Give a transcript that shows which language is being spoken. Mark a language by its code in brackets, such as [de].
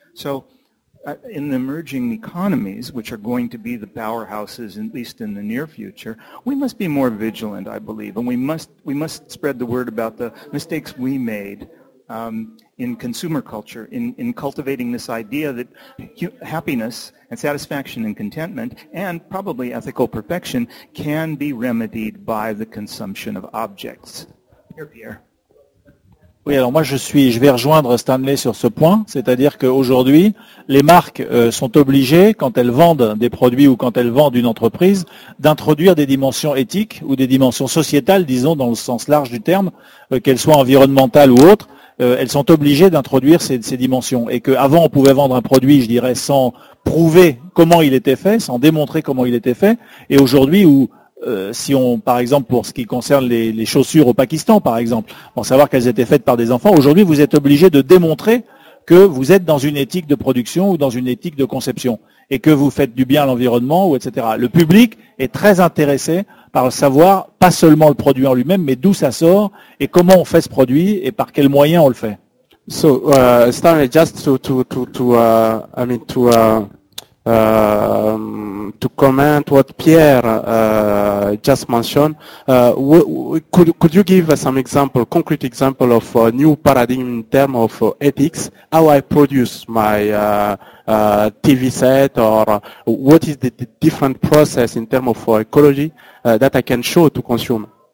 [en] So in the emerging economies, which are going to be the powerhouses at least in the near future, we must be more vigilant, I believe, and we must spread the word about the mistakes we made in consumer culture, in cultivating this idea that happiness and satisfaction and contentment and probably ethical perfection can be remedied by the consumption of objects. Pierre. [fr] Oui, alors moi je vais rejoindre Stanley sur ce point, c'est-à-dire qu'aujourd'hui, les marques sont obligées, quand elles vendent des produits ou quand elles vendent une entreprise, d'introduire des dimensions éthiques ou des dimensions sociétales, disons dans le sens large du terme, qu'elles soient environnementales ou autres. Elles sont obligées d'introduire ces dimensions et qu'avant on pouvait vendre un produit, je dirais, sans prouver comment il était fait, sans démontrer comment il était fait. Et aujourd'hui, où si on, par exemple, pour ce qui concerne les chaussures au Pakistan, par exemple, pour savoir qu'elles étaient faites par des enfants, aujourd'hui vous êtes obligé de démontrer que vous êtes dans une éthique de production ou dans une éthique de conception et que vous faites du bien à l'environnement ou etc. Le public est très intéressé par savoir pas seulement le produit en lui-même, mais d'où ça sort et comment on fait ce produit et par quels moyens on le fait. [en] So, Stanley, just to comment what Pierre just mentioned, could you give some example, concrete example of a new paradigm in terms of ethics, how I produce my TV set, or what is the different process in terms of ecology that I can show to consumers?